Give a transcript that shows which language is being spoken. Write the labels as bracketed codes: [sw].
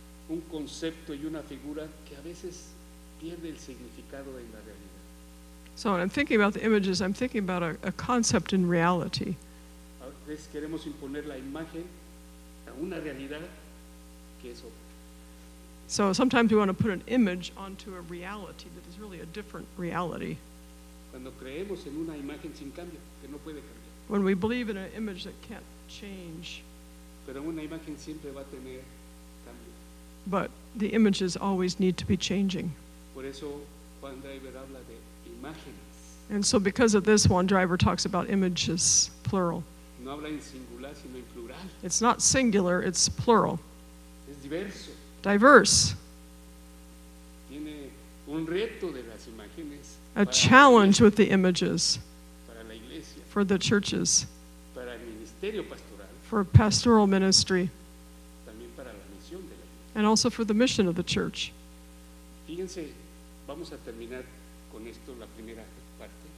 [es] un concepto y una figura que a veces pierde el significado en la realidad. [en] So when I'm thinking about the images, I'm thinking about a concept in reality. [es] A veces queremos imponer la imagen a una realidad que es otra. [en] So sometimes we want to put an image onto a reality that is really a different reality. [es] Cuando creemos en una imagen sin cambio, que no puede cambiar. [en] When we believe in an image that can't change. [es] Pero una imagen siempre va a tener cambio. [en] But the images always need to be changing. [es] Por eso Juan Driver habla de imágenes. [en] And so because of this, Juan Driver talks about images, plural. [es] No habla en singular, sino en plural. [en] It's not singular, it's plural. [es] Es diverso. [en] Diverse. [es] Tiene un reto de las imágenes. [en] A challenge with the images. [es] Para la iglesia. [en] For the churches. [es] Para el ministerio pastoral. [en] For pastoral ministry. [es] También para la misión de la iglesia. [en] And also for the mission of the church. [es] Fíjense, vamos a terminar con esto la primera parte.